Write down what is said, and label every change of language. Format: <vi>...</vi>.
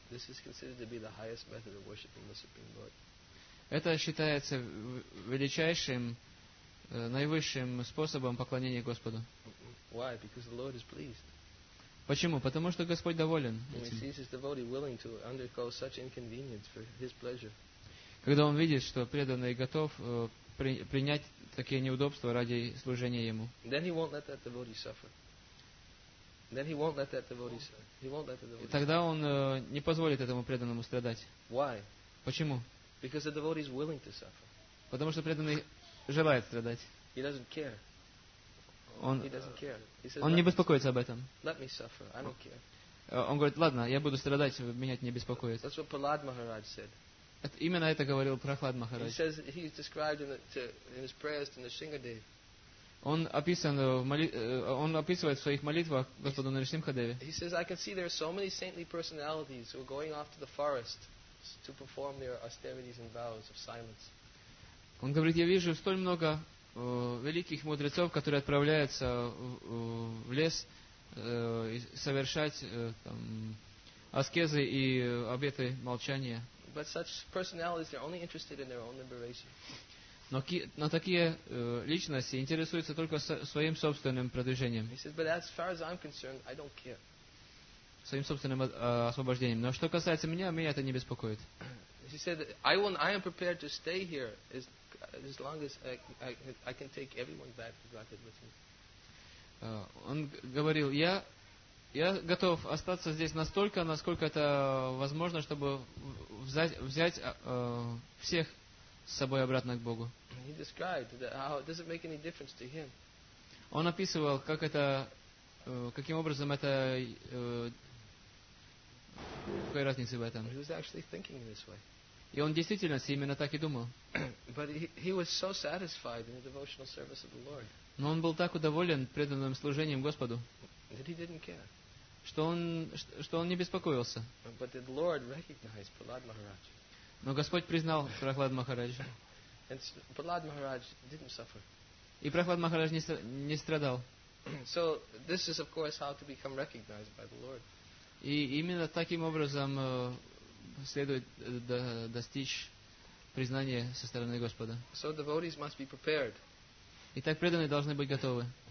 <en>This is considered to be the highest method of worshiping the Supreme Lord.</en> <ru>Это считается величайшим, наивысшим способом поклонения Господу.</ru> <en>Why? Because the Lord is pleased.</en> <ru>Почему? Потому что Господь доволен этим.</ru> <en>When he sees his devotee willing to undergo such inconvenience for his pleasure.</en> <ru>Когда он видит, что преданный готов принять такие неудобства ради служения ему.</ru> <en>Then he won't let that devotee suffer. Then he won't let that devotee suffer. He won't let the devotee.</en> <ru>И тогда он не позволит этому преданному страдать.</ru> <en>Why?</en> <ru>Почему?</ru> <en>Because the devotee is willing to suffer.</en> <ru>Потому что преданный желает страдать.</ru> <en>He doesn't care.</en> <ru>Он,</ru> <en>he doesn't care. He says,</en> <ru>он не беспокоится об этом.</ru> <en>Let me suffer. I don't care.</en> <ru>Он говорит, ладно, я буду страдать, меня это не беспокоит.</ru> <en>That's what Prahlad Maharaj said.</en> <ru>Именно это говорил Прохлад Махарадж.</ru> <en>He says he's described in his prayers to Нарсингхадеве.</en> <ru>Он описан в он описывает в своих молитвах Господу Нарсингхадеве.</ru> <en>He says, I can see there are so many saintly personalities who are going off to the forest to perform their austerities and vows of silence.</en> <ru>Он говорит, я вижу столь много великих мудрецов, которые отправляются в лес совершать там, аскезы и обеты молчания.</ru> <en>But such personalities are only interested in their own liberation.</en> <ru>Но такие личности интересуются только своим собственным продвижением.</ru> <en>He says, but as far as I'm concerned, I don't care.</en> <ru>Своим собственным освобождением. Но что касается меня, меня это не беспокоит.</ru> <en>He said, I am prepared to stay here as long as I can take everyone back to Godhead with me.</en> <ru>Он говорил, я готов остаться здесь настолько, насколько это возможно, чтобы взять всех с собой обратно к Богу.</ru> <en>He described how it doesn't make any difference to him.</en> <ru>Он описывал, как это, каким образом это, какой разницы в этом.</ru> <en>He was actually thinking in this way.</en> <ru>И он действительно именно так и думал.</ru> <en>But he was so satisfied in the devotional service of the Lord.</en> <ru>Но он был так удоволен преданным служением Господу,</ru> <en>that he didn't care.</en> <ru>Что он не беспокоился.</ru> <en>But the Lord recognized Prahlad Maharaj.</en> <ru>Но Господь признал Прохлад Махараджа.</ru> <en>And Prahlad Maharaj didn't suffer.</en> <ru>И Прохлад Махарадж не страдал.</ru> <en>So this is of course how to become recognized by the Lord.</en> <ru>И именно таким образом следует достичь признания со стороны Господа.</ru> <en>So devotees must be prepared.</en> <ru>Итак, преданные должны быть готовы.</ru>